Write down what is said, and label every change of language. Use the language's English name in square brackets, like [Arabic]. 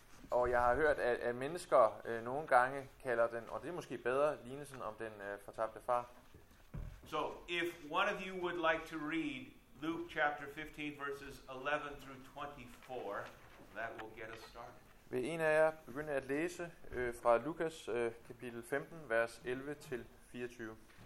[Danish] Og jeg har hørt, at mennesker nogle gange kalder den, og det er måske bedre, lignelsen om den fortabte far. [English] So, if one of you would like to read Luke chapter 15 verses 11 through 24, that will get us started. [Danish] Vil en af jer begynde at læse fra Lukas kapitel 15 vers 11 til 24.